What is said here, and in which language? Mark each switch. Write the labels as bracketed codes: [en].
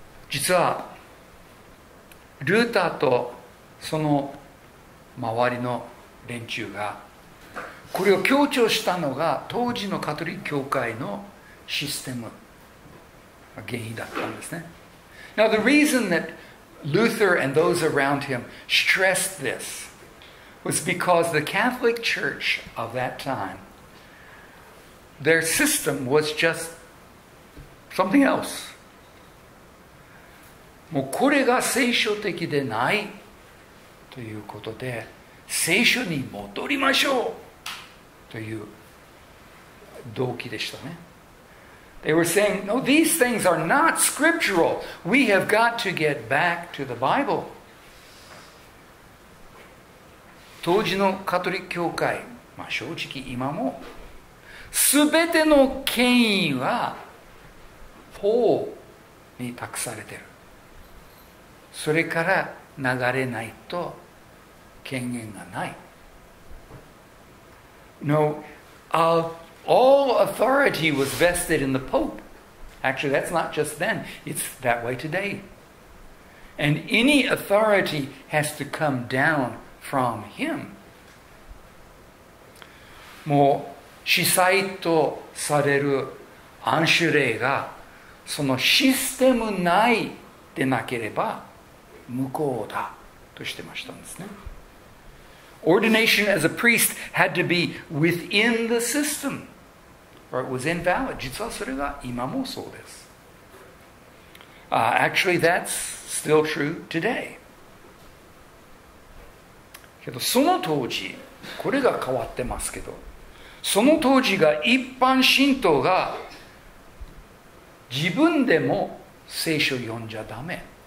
[ja] 実はルーターとその周りの連中がこれを強調したのが当時のカトリック教会のシステム原因だったんですね。 [en] Now, the reason that Luther and those around him stressed this was because the Catholic Church of that time, their system was just something else. [ja] もうこれが聖書的でないということで、聖書に戻りましょうという動機でしたね。 [en] They were saying, no, these things are not scriptural. We have got to get back to the Bible. [ja] 当時のカトリック教会、まあ、正直今も、すべての権威は法に託されている。それから流れないと権限がない。 [en] No, All authority was vested in the Pope. Actually, that's not just then. It's that way today. And any authority has to come down from him. [ja] もう司祭とされる安守礼がそのシステム内でなければ無効だとしてましたんですね。 [en] Ordination as a priest had to be within the system. Or it was invalid. [ja] 実はそれが今もそうです。 [en] Actually, that's still true today. [ja] けどその当時、これが変わってますけど、その当時が一般信徒が自分でも聖書読んじゃダメ。